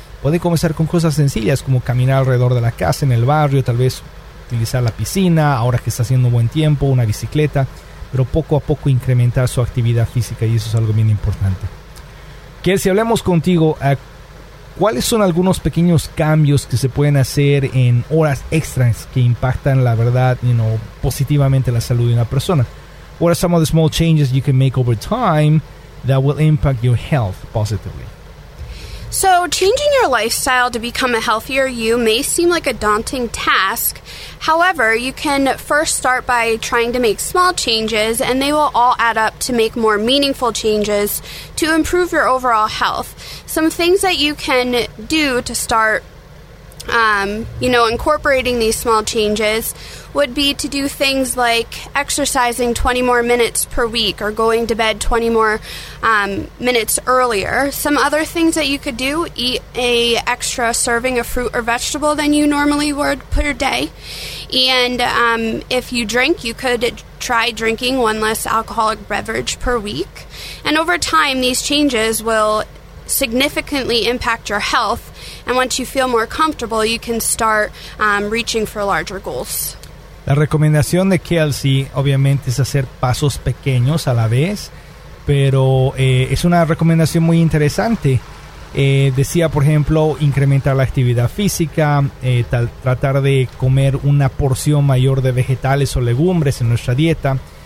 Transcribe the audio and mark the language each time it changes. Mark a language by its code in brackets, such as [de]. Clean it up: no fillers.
[es] Puede comenzar con cosas sencillas como caminar alrededor de la casa, en el barrio, tal vez utilizar la piscina, ahora que está haciendo buen tiempo, una bicicleta, pero poco a poco incrementar su actividad física, y eso es algo bien importante. Kiel, si hablemos contigo, ¿cuáles son algunos pequeños cambios que se pueden hacer en horas extras que impactan, la verdad, positivamente la salud de una persona? [en] What are some of the small changes you can make over time that will impact your health positively? So changing your lifestyle to become a healthier you may seem like a daunting task. However, you can first start by trying to make small changes, and they will all add up to make more meaningful changes to improve your overall health. Some things that you can do to start incorporating these small changes would be to do things like exercising 20 more minutes per week or going to bed 20 more minutes earlier. Some other things that you could do, eat a extra serving of fruit or vegetable than you normally would per day. And if you drink, you could try drinking one less alcoholic beverage per week. And over time, these changes will significantly impact your health, and once you feel more comfortable, you can start reaching for larger goals. [es] La recomendación de Kelsey obviamente es hacer pasos pequeños a la vez, pero es una recomendación muy interesante. Decía, por ejemplo, incrementar la actividad física, tratar de comer una porción mayor de vegetales o legumbres en nuestra dieta.